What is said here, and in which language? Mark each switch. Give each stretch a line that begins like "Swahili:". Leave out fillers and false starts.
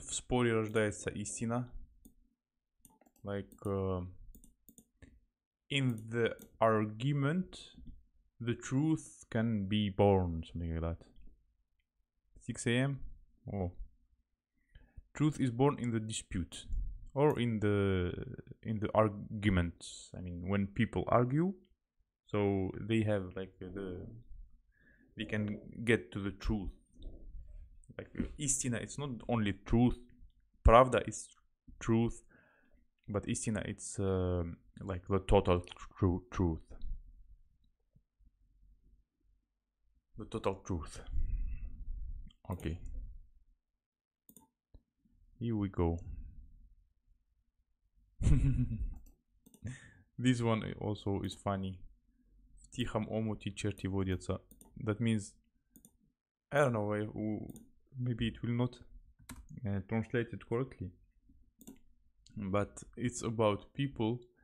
Russian: Вспори рождается истина.
English: Like, in the argument, the truth can be born, something like that. 6 a.m. Oh. Truth is born in the dispute. Or in the arguments, I mean, when people argue, so they have like they can get to the truth. Like istina, it's not only truth. Pravda is truth, but istina, it's like the total truth. The total truth. Okay. Here we go. This one also is funny.
Russian: В тихом омуте черти водятся.
English: That means, I don't know, maybe it will not translate it correctly, but it's about people.